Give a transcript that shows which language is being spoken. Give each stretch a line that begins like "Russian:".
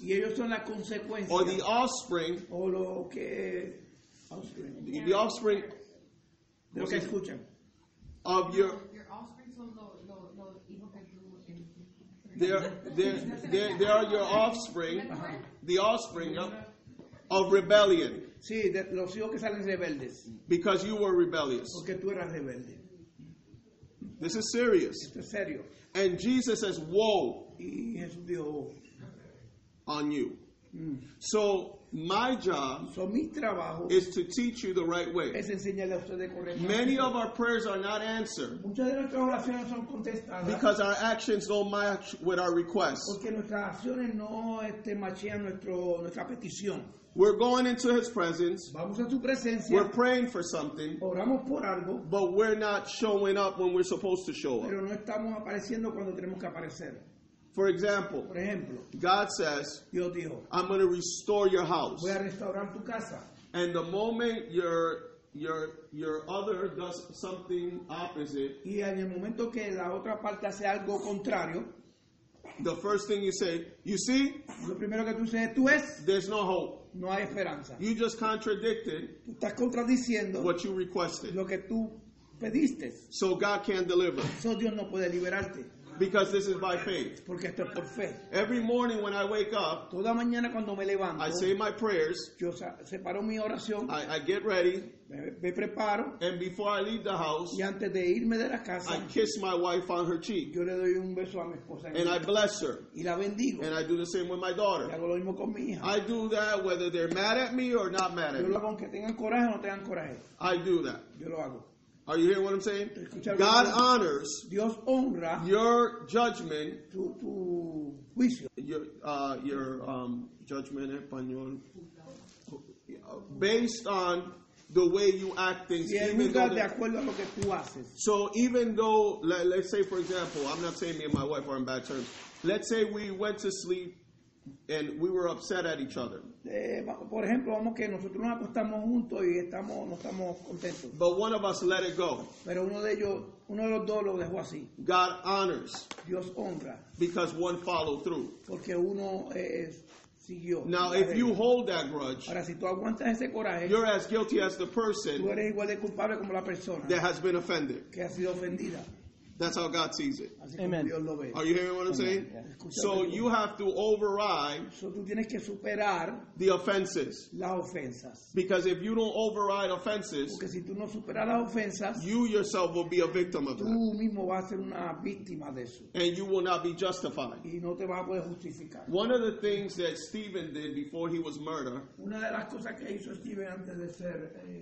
Spanish: y ellos son la consecuencia
English: or the offspring
Spanish: o lo que offspring.
English: Yeah. The offspring
Spanish: de lo que escuchan.
English: Of your
Spanish: offspring son lo hijo que tú
English: they are your offspring the offspring of rebellion.
Spanish: Sí, de los hijos que salen rebeldes.
English: Because you were rebellious.
Spanish: Porque tú eras rebelde.
English: This is serious.
Spanish: Esto es serio.
English: And Jesus says, woe.
Spanish: Y Jesús dijo,
English: on you. Mm. So my job
Spanish: mi trabajo
English: is to teach you the right way.
Spanish: Es enseñarle a usted de correcto.
English: Many of our prayers are not answered.
Spanish: Muchas de nuestras oraciones son contestadas.
English: Because our actions don't match with our requests.
Spanish: Porque nuestras acciones no machean nuestra petición.
English: We're going into his presence.
Spanish: Vamos a su presencia.
English: We're praying for something.
Spanish: Oramos por algo.
English: But we're not showing up when we're supposed to show up.
Spanish: Pero no estamos apareciendo cuando tenemos que aparecer.
English: For example,
Spanish: por ejemplo,
English: God says,
Spanish: Dios dijo,
English: I'm going to restore your house.
Spanish: Voy a restaurar tu casa.
English: And the moment your other does something opposite,
Spanish: y en el momento que la otra parte hace algo contrario,
English: the first thing you say, you see?
Spanish: Lo primero que tú dices, tú ves?
English: There's no hope.
Spanish: No hay esperanza.
English: You just contradicted
Spanish: estás contradiciendo
English: what you requested.
Spanish: Lo que tú pediste.
English: So God can't deliver.
Spanish: So Dios no puede liberarte.
English: Because this is by faith.
Spanish: Porque esto es por fe.
English: Every morning when I wake up,
Spanish: toda mañana cuando me levanto,
English: I say my prayers.
Spanish: Yo separo mi oración.
English: I get ready.
Spanish: Me preparo.
English: And before I leave the house,
Spanish: y antes de irme de la casa,
English: I kiss my wife on her cheek.
Spanish: Yo le doy un beso a mi esposa.
English: And I bless her.
Spanish: Y la bendigo.
English: And I do the same with my daughter.
Spanish: Y hago lo mismo con mi hija.
English: I do that whether they're mad at me or not mad at me.
Spanish: Yo lo hago aunque tengan coraje o no tengan coraje.
English: I do that.
Spanish: Yo lo hago.
English: Are you hearing what I'm saying? God honors
Spanish: Dios honra
English: your judgment.
Spanish: Tu juicio.
English: Your judgment
Spanish: en español.
English: Based on the way you act things.
Spanish: Si
English: even
Spanish: juzga de acuerdo a lo que tú haces.
English: So even though, let's say for example, I'm not saying me and my wife are in bad terms. Let's say we went to sleep and we were upset at each other.
Spanish: Por ejemplo, vamos que nosotros nos acostamos juntos y no estamos contentos.
English: But one of us let it go.
Spanish: Pero uno de los dos lo dejó así.
English: God honors.
Spanish: Dios honra.
English: Because one followed through.
Spanish: Porque uno siguió.
English: Now, if you hold that grudge,
Spanish: ahora, si tú aguantas ese coraje,
English: you're as guilty as the person,
Spanish: tú eres igual de culpable como la persona
English: that has been offended.
Spanish: Que ha sido ofendida.
English: That's how God sees it. Amen. Are you hearing what I'm Amen. Saying? Yeah. So you have to override
Spanish: tú tienes que superar
English: the offenses.
Spanish: Las ofensas.
English: Because if you don't override offenses,
Spanish: porque si tú no superas las ofensas,
English: you yourself will be a victim of
Spanish: tú
English: that.
Spanish: Mismo vas a ser una víctima de eso.
English: And you will not be justified.
Spanish: Y no te vas a poder justificar.
English: One of the things that Stephen did before he was murdered,
Spanish: una de las cosas que hizo Stephen antes de ser